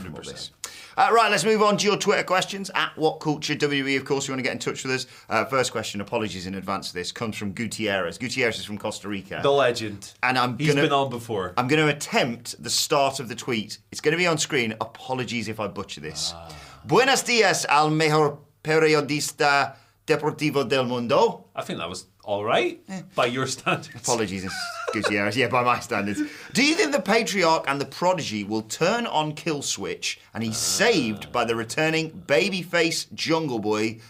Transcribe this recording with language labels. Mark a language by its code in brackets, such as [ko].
[en] From all this. Right, let's move on to your Twitter questions. At WhatCultureWWE, of course, you want to get in touch with us. First question, apologies in advance for this, comes from Gutierrez. Gutierrez is from Costa Rica. The legend. And He's been on before. I'm going to attempt the start of the tweet. It's going to be on screen. Apologies if I butcher this. [es] Buenos dias al mejor periodista deportivo del mundo. [en] I think that was all right, by your standards. Apologies, Gutierrez. Yeah, by my standards. Do you think the Patriarch and the Prodigy will turn on Killswitch and he's saved by the returning babyface Jungle Boy?